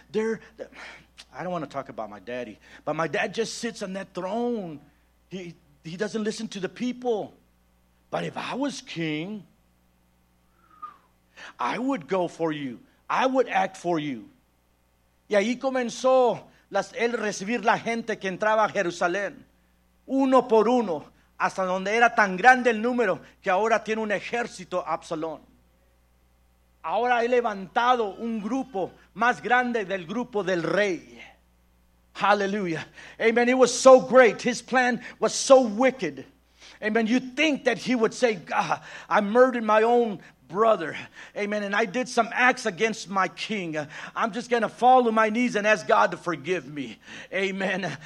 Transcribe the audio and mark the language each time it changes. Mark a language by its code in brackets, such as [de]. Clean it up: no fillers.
[en] I don't want to talk about my daddy. But my dad just sits on that throne. He doesn't listen to the people. But if I was king, I would go for you. I would act for you. [es] Y ahí comenzó el recibir la gente que entraba a Jerusalén. Uno por uno, hasta donde era tan grande el número que ahora tiene un ejército Absalón. Ahora he levantado un grupo más grande del grupo del rey. [en] Hallelujah. Amen. It was so great. His plan was so wicked. Amen. You think that he would say, God, I murdered my own brother. Amen. And I did some acts against my king. I'm just going to fall to my knees and ask God to forgive me. Amen.